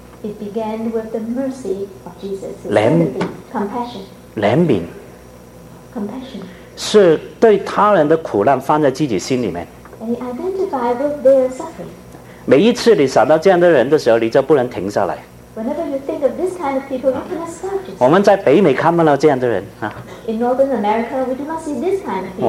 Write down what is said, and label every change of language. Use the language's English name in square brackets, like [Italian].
[English] It began with the mercy of Jesus. Compassion. [Chinese] 怜悯。 [English] Compassion. [Chinese] 是对他人的苦难放在自己心里面。 [English] And he identified with their suffering. [Chinese] 每一次你想到这样的人的时候，你就不能停下来。 [English] Whenever you think of this kind of people, you cannot stop. [Chinese] 我们在北美看不到这样的人啊。 [English] In Northern America, we do not see this kind of people.